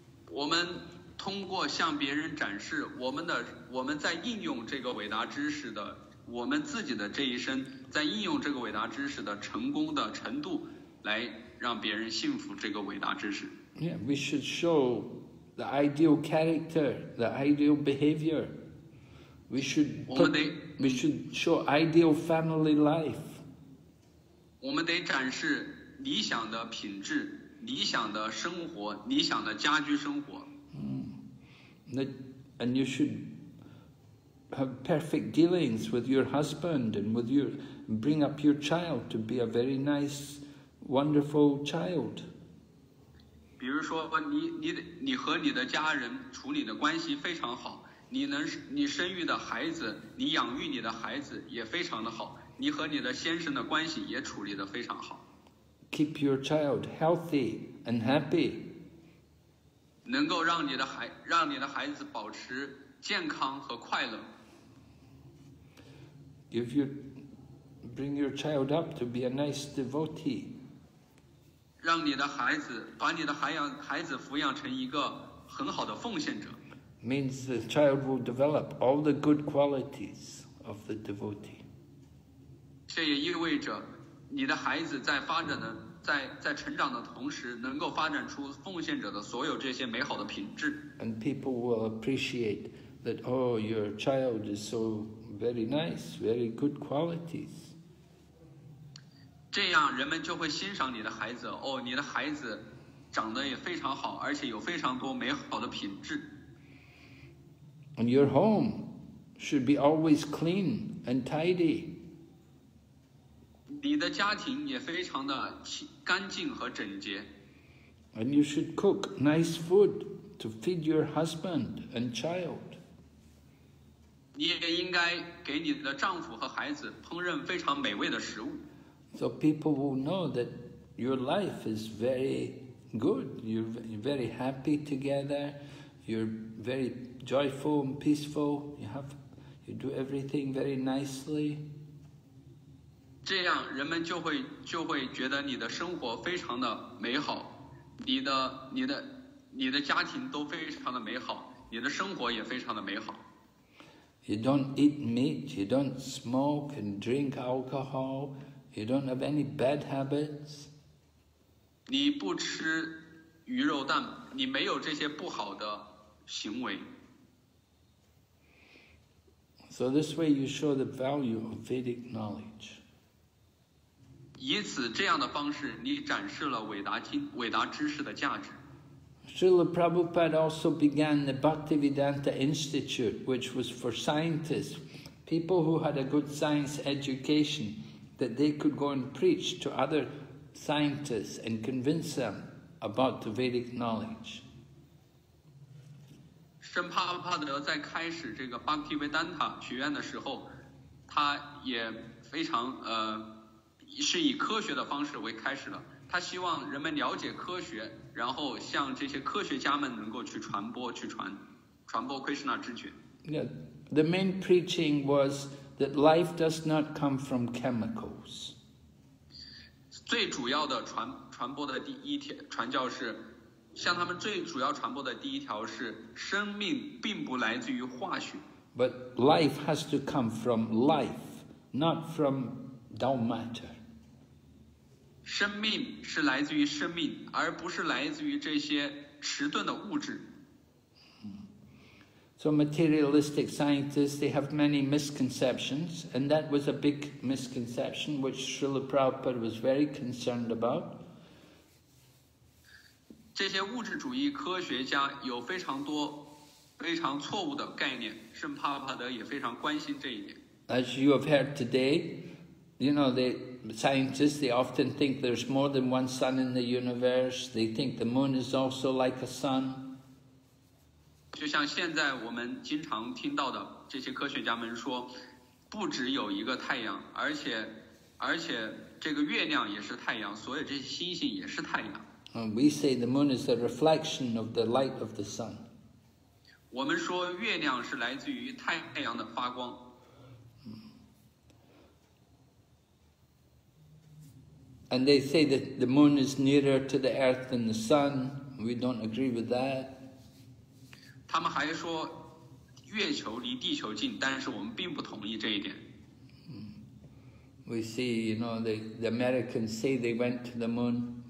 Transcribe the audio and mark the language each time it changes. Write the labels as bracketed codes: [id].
[zh] 我们通过向别人展示我们在应用这个伟大知识的我们自己的这一生在应用这个伟大知识的成功的程度来让别人信服这个伟大知识。 [en] Yeah, we should show the ideal character, the ideal behavior. We should show ideal family life. [zh] 我们得展示理想的品质，理想的生活，理想的家居生活。 [en] 嗯，那 and you should have perfect dealings with your husband and with your bring up your child to be a very nice, wonderful child. [zh] 比如说你和你的家人处理的关系非常好，你生育的孩子，你养育你的孩子也非常的好，你和你的先生的关系也处理得非常好。 [en] Keep your child healthy and happy. [zh] 能够让你的孩让你的孩子保持健康和快乐。 [en] If you bring your child up to be a nice devotee. [zh] 让你的孩子把你的孩子抚养成一个很好的奉献者。 [en] Means the child will develop all the good qualities of the devotee. [zh] 这也意味着你的孩子在发展的在成长的同时能够发展出奉献者的所有这些美好的品质。 [en] And people will appreciate that, oh, your child is so very nice, very good qualities. [zh] 这样人们就会欣赏你的孩子，哦，你的孩子长得也非常好，而且有非常多美好的品质。 [en] And your home should be always clean and tidy. [zh] 你的家庭也非常的干净和整洁。 [en] And you should cook nice food to feed your husband and child. [zh] 你也应该给你的丈夫和孩子烹饪非常美味的食物。 [en] So people will know that your life is very good. You're very happy together. You're very joyful and peaceful. You do everything very nicely. [zh] 这样人们就会觉得你的生活非常的美好，你的家庭都非常的美好，你的生活也非常的美好。 [en] You don't eat meat. You don't smoke and drink alcohol. You don't have any bad habits. [zh] 你不吃鱼肉蛋，你没有这些不好的行为。 [en] So this way you show the value of Vedic knowledge. [zh] 以此这样的方式你展示了伟达知识的价值。 [en] Srila Prabhupada also began the Bhaktivedanta Institute, which was for scientists, people who had a good science education, that they could go and preach to other scientists and convince them about the Vedic knowledge. [zh] Srila Prabhupada 在开始这个 Bhaktivedanta 学院的时候，他也非常是以科学的方式为开始的。他希望人们了解科学，然后向这些科学家们能够去传播，传播 Krishna 知觉。 [en] Yeah, the main preaching was that life does not come from chemicals. [zh] 最主要的传播的第一条传教是。向他们最主要传播的第一条是生命并不来自于化学。 [en] But life has to come from life, not from dull matter. [zh] 生命是来自于生命，而不是来自于这些迟钝的物质。 [en] So materialistic scientists, they have many misconceptions, and that was a big misconception which Srila Prabhupada was very concerned about. [zh] 这些物质主义科学家有非常多非常错误的概念，圣帕帕德也非常关心这一点。 [en] As you have heard today, you know, the scientists, they often think there's more than one sun in the universe. They think the moon is also like a sun. [zh] 就像现在我们经常听到的这些科学家们说，不只有一个太阳，而且这个月亮也是太阳，所有这些星星也是太阳。 [en] We say the moon is a reflection of the light of the sun. [zh] 我们说月亮是来自于太阳的发光。 [en] And they say that the moon is nearer to the earth than the sun. We don't agree with that. [zh] 他们还说月球离地球近，但是我们并不同意这一点。 [en] We see, you know, the Americans say they went to the moon.